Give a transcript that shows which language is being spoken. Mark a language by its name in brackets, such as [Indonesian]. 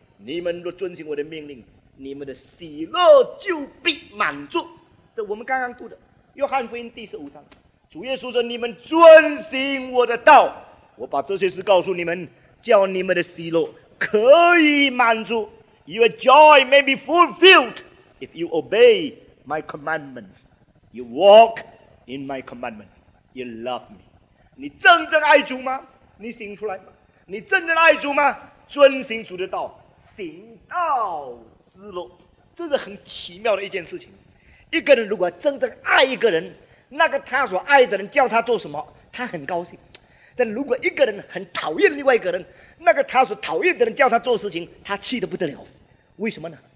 [Chinese] 你们若遵行我的命令，你们的喜乐就必满足。这我们刚刚读的约翰福音第十五章，主耶稣说，你们遵行我的道，我把这些事告诉你们，叫你们的喜乐可以满足。 [English] Your joy may be fulfilled if you obey my commandment, you walk in my commandment, you love me. [Chinese] 你真正爱主吗？你行出来吗？你真正爱主吗？遵行主的道，行道之路，这是很奇妙的一件事情。一个人如果真正爱一个人，那个他所爱的人叫他做什么，他很高兴。但如果一个人很讨厌另外一个人，那个他所讨厌的人叫他做事情，他气得不得了。为什么呢？